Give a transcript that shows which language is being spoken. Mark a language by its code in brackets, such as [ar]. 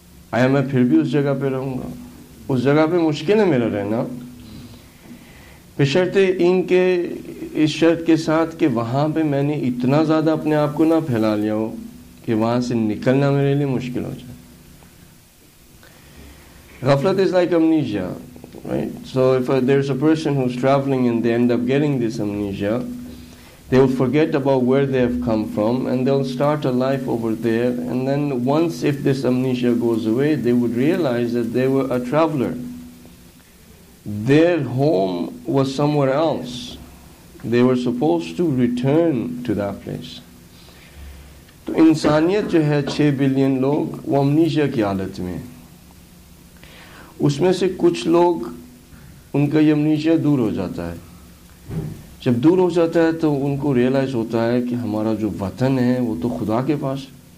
[ur] آیا میں پھر بھی اس جگہ پہ رہوں گا؟ اس جگہ پہ مشکل ہے میرا رہنا, بشرط ان کے اس شرط کے ساتھ کہ وہاں پہ میں نے اتنا زیادہ اپنے آپ کو نہ پھیلا لیا ہو کہ وہاں سے نکلنا میرے لیے مشکل ہو جائے. [en] غفلت is like amnesia, right? So if there's a person who's traveling and they end up getting this amnesia, they will forget about where they have come from and they'll start a life over there, and then once if this amnesia goes away, they would realize that they were a traveler. Their home was somewhere else. They were supposed to return to that place. [ur] تو انسانیت جو ہے 6 billion لوگ وہ امنیشیا کی حالت میں ہیں. اس میں سے کچھ لوگ ان کا یہ امنیشیا دور ہو جاتا ہے. جب دور ہو جاتا ہے تو ان کو ریئلائز ہوتا ہے کہ ہمارا جو وطن ہے وہ تو خدا کے پاس ہے.